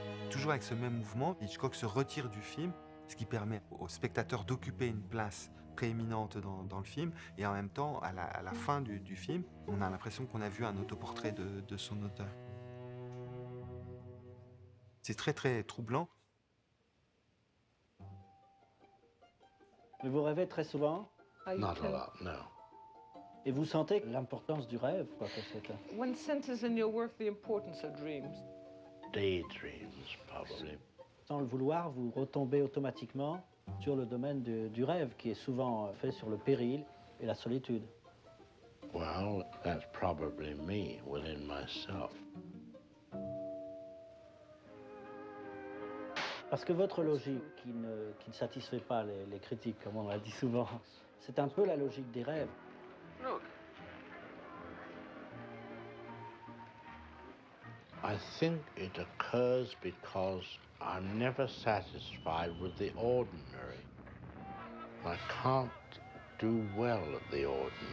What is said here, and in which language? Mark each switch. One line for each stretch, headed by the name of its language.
French: Toujours avec ce même mouvement, Hitchcock se retire du film, ce qui permet au spectateur d'occuper une place prééminente dans le film, et en même temps, à la fin du film, on a l'impression qu'on a vu un autoportrait de son auteur. C'est très très troublant. Mais vous rêvez très souvent?
English: Not a lot, no.
French: Et vous sentez l'importance du rêve, quoi que c'est là?
English: One senses in your work the importance of dreams. Daydreams, probably.
French: Sans le vouloir, vous retombez automatiquement sur le domaine du rêve, qui est souvent fait sur le péril et la solitude.
English: Well, that's probably me within myself.
French: Parce que votre logique, qui ne satisfait pas les critiques, comme on l'a dit souvent, c'est un peu la logique des rêves.
English: Look. I think it occurs because I'm never satisfied with the ordinary. I can't do well at the ordinary.